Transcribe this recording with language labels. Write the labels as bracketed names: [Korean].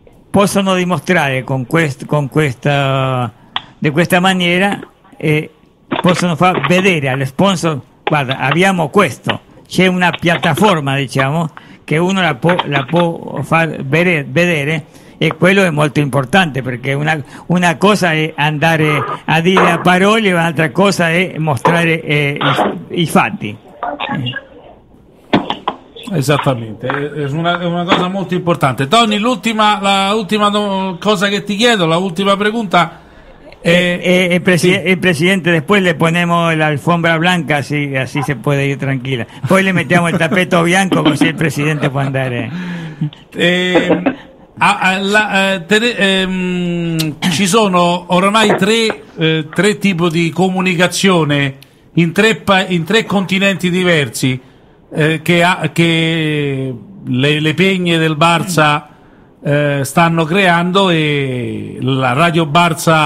[Italian] possono dimostrare con questa maniera possono far vedere al sponsor, guarda, abbiamo questo, c'è una piattaforma, diciamo, che uno la può far vedere, e quello è molto importante, perché una cosa è andare a dire a parole, un'altra cosa è mostrare i fatti. Esattamente, è una cosa molto importante. Tony, l'ultima cosa che ti chiedo, [Spanish] la ultima pregunta. El presidente, después le ponemos la alfombra blanca, así se puede ir tranquila. [Italian] Poi le mettiamo il tappeto bianco, così il presidente può andare. Ci sono oramai tre tipi di comunicazione in tre continenti diversi, che le peñe del Barça stanno creando, e la Radio Barça Italia a Roma, ma in tutta Italia,